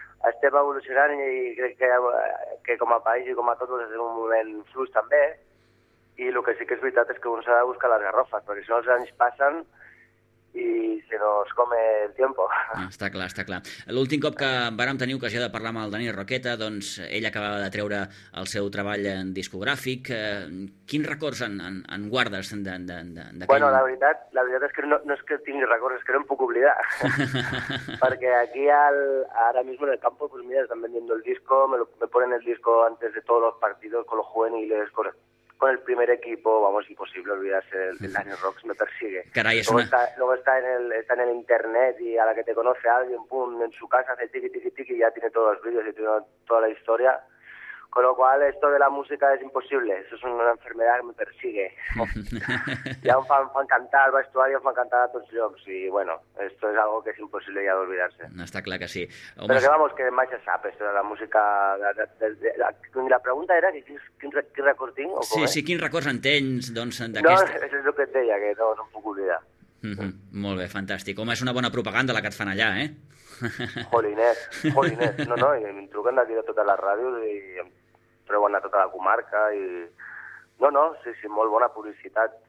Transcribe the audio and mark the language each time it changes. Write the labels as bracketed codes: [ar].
[ca] Estem evolucionant i crec que com a país i com a tot, doncs, és un moment flux també, i el que sí que és veritat és que un s'ha de buscar les garrofes, perquè si no els anys passen i [es] se nos come el tiempo. [ca] Ah, està clar. L'últim cop que vàrem tenir ocasió de parlar amb el Dani Roqueta, doncs ell acabava de treure el seu treball en discogràfic. Quins records en guardes d'aquell? Bueno, la veritat és que no és que tingui records, és que no em puc oblidar. Perquè aquí, [es] ara mismo en el campo, pues mira, estan vendiendo el disco, me ponen el disco antes de todos los partidos con los juveniles, con el primer equipo, vamos, imposible olvidarse del Dani Rocks, me persigue. Caray, es luego una... está en el internet, y a la que te conoce alguien, pum, en su casa hace tiki tiki tiki y ya tiene todos los vídeos y tiene toda la historia. Con lo cual, esto de la música es imposible, eso es una enfermedad que me persigue. Ya un fan cantar al vestuario, [ca] fan cantar a tots llocs, [es] y bueno, esto es algo que es imposible ya de olvidarse. No está claro que sí. [ca] Home... [es] Pero que vamos, que más se sabe, esto de la música... La pregunta era, [ca] ¿quin record tinc? Sí, quin record en tens, doncs, d'aquesta... No, és el que et deia, que no puc oblidar. Molt bé, fantàstic. Home, és una bona propaganda la que et fan allà, eh? Jolinet, jolinet. No, no, i em truquen d'aquí de totes les ràdios i em treuen a tota la comarca i... No, no, sí, sí, molt bona publicitat.